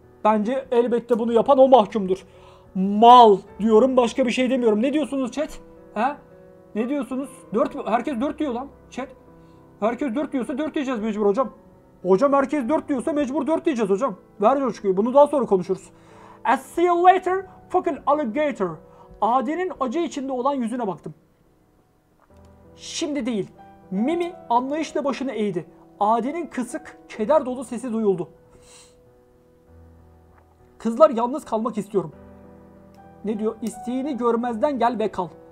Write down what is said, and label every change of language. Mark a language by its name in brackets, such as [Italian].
[Turkish] Bence elbette bunu yapan o mahkumdur. Mal diyorum, başka bir şey demiyorum. Ne diyorsunuz chat? He? Ne diyorsunuz? Herkes 4 diyor lan chat. Herkes 4 diyorsa 4 diyeceğiz mecbur hocam. Hocam herkes 4 diyorsa mecbur 4 diyeceğiz hocam. Ver coşkuyu, bunu daha sonra konuşuruz. [English] As see you later, fucking alligator. [Turkish] Adi'nin acı içinde olan yüzüne baktım. Şimdi değil. Mimi anlayışla başını eğdi. Adi'nin kısık, keder dolu sesi duyuldu. Kızlar yalnız kalmak istiyorum. Ne diyor? İsteğini görmezden gel ve kal.